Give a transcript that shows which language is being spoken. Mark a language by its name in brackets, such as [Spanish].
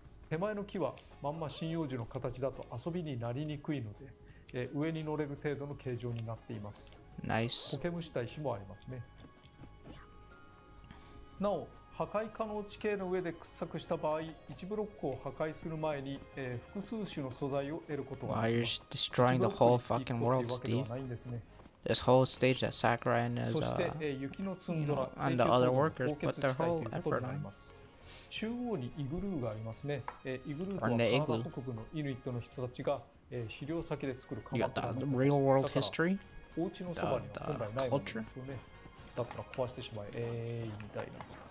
[Japanese] 手前の木はまんま針葉樹の形だと遊びになりにくいので、上に乗れる程度の形状になっています。 [English] Nice. [Japanese] コケムシ大使もありますね。なお、破壊可能地形の上で掘削した場合、1ブロックを破壊する前に、複数種の素材を得ることができます。 [English] Wow, you're destroying the whole fucking world, Steve. This whole stage that Sakurai and his, you know, and the other workers put their whole effort on. [Japanese] 中央にイグルーがありますね。イグルーとはカナダ北部のイヌイットの人たちが資料先で作る窯だ。 [English] The real world history? [Japanese] お家のそばには本来ないものですよね。だったら壊してしまえ、みたいな。